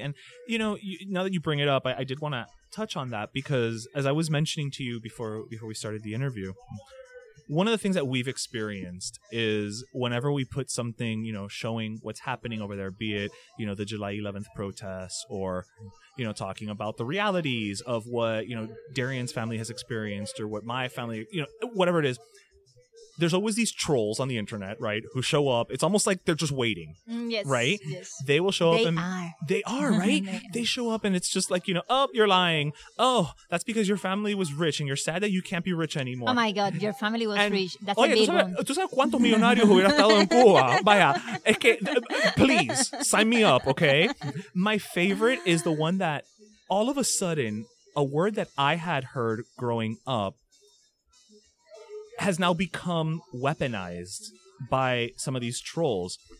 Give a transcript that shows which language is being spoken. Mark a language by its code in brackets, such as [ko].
[en] And, you know, now that you bring it up, I did want to touch on that because, as I was mentioning to you before we started the interview, one of the things that we've experienced is whenever we put something, you know, showing what's happening over there, be it, you know, the July 11th protests or, you know, talking about the realities of what, you know, Darian's family has experienced or what my family, you know, whatever it is. There's always these trolls on the internet, right, who show up. It's almost like they're just waiting, yes, right? Yes. They will show up. They and are. They are, right? They show up and it's just like, you know, oh, you're lying. Oh, that's because your family was rich and you're sad that you can't be rich anymore. Oh, my God. Your family was rich. That's oye, a big one. [es] ¿Tú sabes cuántos millonarios hubiera estado en Cuba? Vaya. Es que, [en] please, sign me up, okay? My favorite is the one that all of a sudden, a word that I had heard growing up has now become weaponized by some of these trolls.